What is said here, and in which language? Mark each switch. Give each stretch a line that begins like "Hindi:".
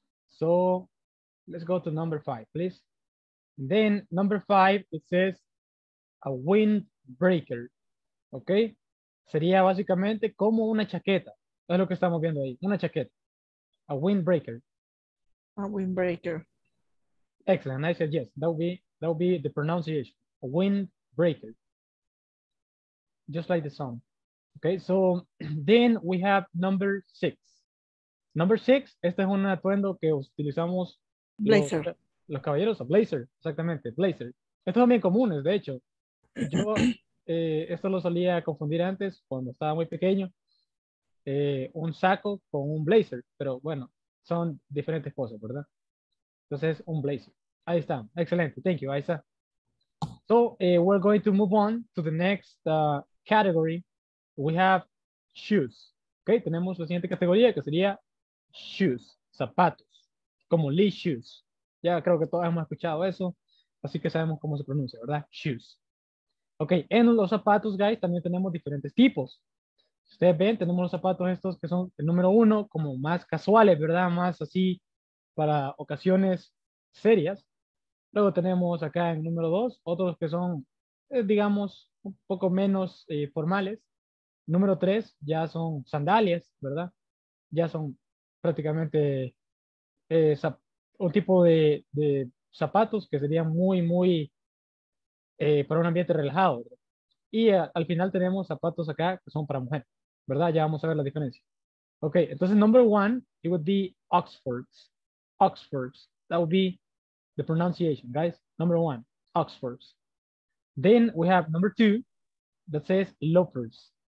English: So, let's go to number 5, please. Then, number 5, it says a windbreaker, ¿ok?
Spanish: Sería básicamente como una chaqueta, es lo que estamos viendo ahí, una chaqueta.
English: A windbreaker. A windbreaker. Excellent, I said yes, that would be the pronunciation, a windbreaker. Just like the song. Okay, so then we have number 6. Number 6,
Spanish: este es un atuendo que utilizamos.
English: Blazer.
Spanish: Los caballeros, o blazer, exactamente, blazer. Estos son bien comunes, de hecho. Yo, esto lo solía confundir antes, cuando estaba muy pequeño, un saco con un blazer, pero bueno, son diferentes cosas, ¿verdad? Entonces, un blazer. Ahí está, excelente,
English: thank you,
Spanish: Aiza.
English: So, we're going to move on to the next category. We have shoes.
Spanish: Okay, tenemos la siguiente categoría que sería shoes, zapatos, como Lee shoes. Ya creo que todos hemos escuchado eso, así que sabemos cómo se pronuncia, ¿verdad? Shoes. Okay, en los zapatos, guys, también tenemos diferentes tipos. Ustedes ven, tenemos los zapatos estos que son el número uno, como más casuales, ¿verdad? Más así para ocasiones serias. Luego tenemos acá en número dos, otros que son, digamos, un poco menos formales. Número tres, ya son sandalias, ¿verdad? Ya son prácticamente un tipo de zapatos que serían muy, muy para un ambiente relajado, ¿verdad? Y al final tenemos zapatos acá que son para mujer, ¿verdad? Ya vamos a ver la diferencia.
English: Ok, entonces, number one, it would be Oxfords. Oxfords, that would be the pronunciation, guys. Number one, Oxfords. Then we have number two, that says loafers.